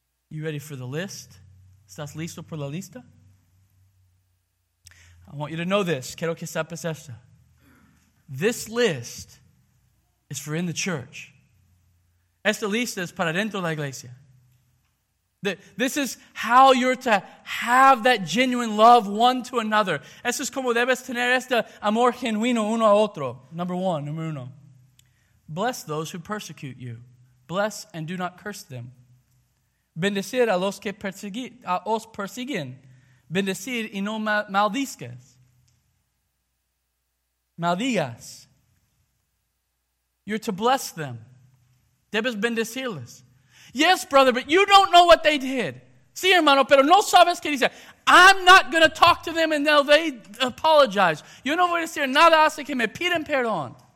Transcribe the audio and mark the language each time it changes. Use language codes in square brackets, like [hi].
[en] You ready for the list? [es] ¿Estás listo por la lista? [en] I want you to know this. [es] Quiero que sepas esto. [en] This list is for in the church. [es] Esta lista es para dentro de la iglesia. [en] This is how you're to have that genuine love one to another. [es] Esto es como debes tener este amor genuino uno a otro. [en] Number one, [es] número uno. [en] Bless those who persecute you. Bless and do not curse them. [es] Bendecir a los que os persiguen. Bendecir y no maldizcas. [en] Maldigas. You're to bless them. [es] Debes bendecirles. [en] Yes, brother, but you don't know what they did. [es] Sí, hermano, pero no sabes qué dice. [en] I'm not going to talk to them until they apologize. [es] Yo no voy a decir nada hasta que me piden perdón.